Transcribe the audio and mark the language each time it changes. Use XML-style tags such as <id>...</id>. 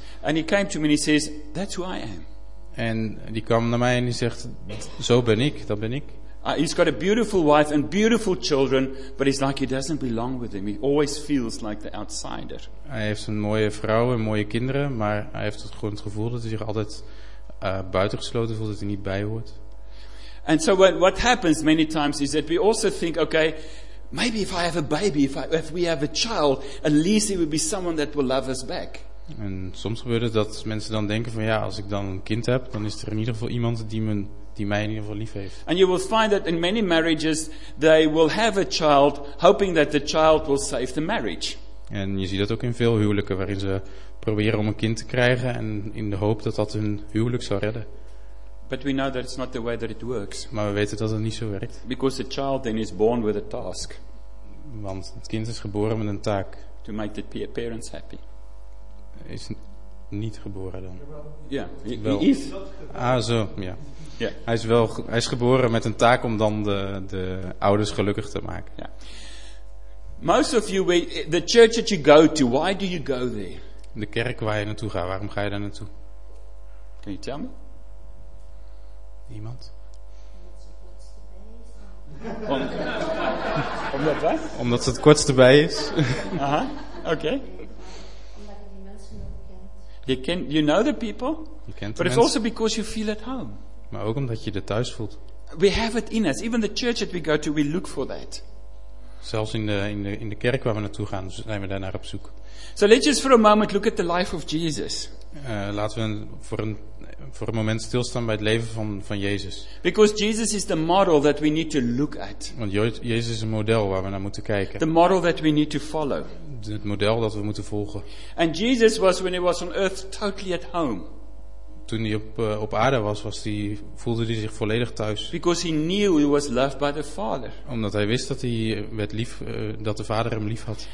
<en>And he came to me and he says, "That's who I am."</en> <nl>En die kwam naar mij en die zegt, "Zo ben ik, dat ben ik."</nl> <en>He's got a beautiful wife and beautiful children, but it's like he doesn't belong with them. He always feels like the outsider.</en> <nl>Hij heeft een mooie vrouw en mooie kinderen, maar hij heeft het gewoon het gevoel dat hij zich altijd buitengesloten voelt, dat hij niet bij hoort.</nl> <en>And so what happens many times is that we also think, okay, maybe if I have a baby, if we have a child, at least it will be someone that will love us back.</en> <nl>En soms gebeurt het dat mensen dan denken van ja, als ik dan een kind heb, dan is er in ieder geval iemand die mij in ieder geval lief heeft.</nl> <en>And you will find that in many marriages they will have a child hoping that the child will save the marriage.</en> <nl>En je ziet dat ook in veel huwelijken waarin ze proberen om een kind te krijgen en in de hoop dat hun huwelijk zou redden.</nl> <en>But we know that it's not the way that it works.</en> <nl>Maar we weten dat het niet zo werkt.</nl> <en>Because the child then is born with a task.</en> <nl>Want het kind is geboren met een taak.</nl> <en>To make the parents happy.</en> <nl>Is niet geboren dan.</nl> <en>Ja, yeah, he is.</en> <nl>Ah, zo, ja.</nl> <en>Yeah. Yeah.</en> <nl>Hij is geboren met een taak om dan de ouders gelukkig te maken.</nl> <en>Yeah. Most of you, the church that you go to, why do you go there?</en> <nl>De kerk waar je naartoe gaat, waarom ga je daar naartoe?</nl> <en>Can you tell me?</en> <nl>gaat? Omdat wat? Omdat ze het kortste bij is. Aha, oké.</nl> <en>Okay. You can, you know the people,</en> <nl>je kent de mensen.</nl> <en>It's also because you feel at home.</en> <nl>Maar ook omdat je er thuis voelt.</nl> <en>We have it in us. Even the church that we go to, we look for that.</en> <nl>Zelfs in de kerk waar we naartoe gaan, zijn we daar naar op zoek.</nl> <en>So let's just for a moment look at the life of Jesus.</en> <nl>Laten we voor een moment stilstaan bij het leven van Jezus.</nl> <en>Because Jesus is the model that we need to look at.</en> <nl>Want Jezus is een model waar we naar moeten kijken.</nl> <en>The model that we need to follow.</en> <nl>Het model dat we moeten volgen.</nl> <en>And Jesus was when he was on earth totally at home.</en> <nl>Toen hij op aarde voelde hij zich volledig thuis.</nl> <en>Because he knew he was loved by the Father.</en> <nl>Omdat hij wist dat hij werd lief, dat de Vader hem lief had.</nl>